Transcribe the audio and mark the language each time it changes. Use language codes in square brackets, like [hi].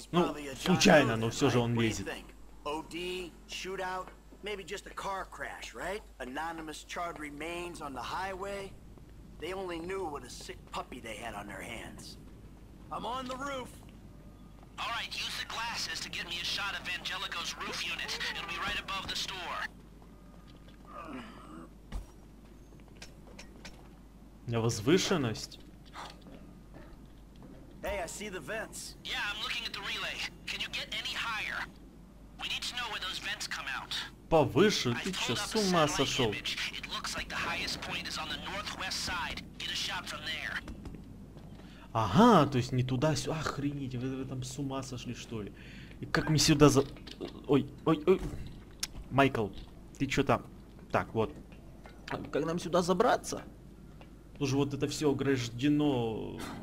[ru] Ну, случайно, но все же он лезет. [en] OD, shootout, maybe just a car crash, right? Anonymous charred remains on the highway. They only knew what a sick puppy they had on their hands. I'm on the roof. All right, use the glasses to get me a shot of Angelico's roof unit. It'll be right above the store. [ru] На возвышенность. [en] Hey, I see the vents. Yeah, I'm looking at the relay. Can you get any higher? We need to know where those vents come out. [ru] Повыше, ты что, с ума сошел? [en] It looks like the highest point is on the northwest side. Get a shot from there. [ru] Ага, то есть не туда, сюда. Охренеть, вы там с ума сошли, что ли? И как мне сюда за... Ой. Майкл, ты чё там? Так, вот. Как нам сюда забраться? Ну же, вот это всё ограждено.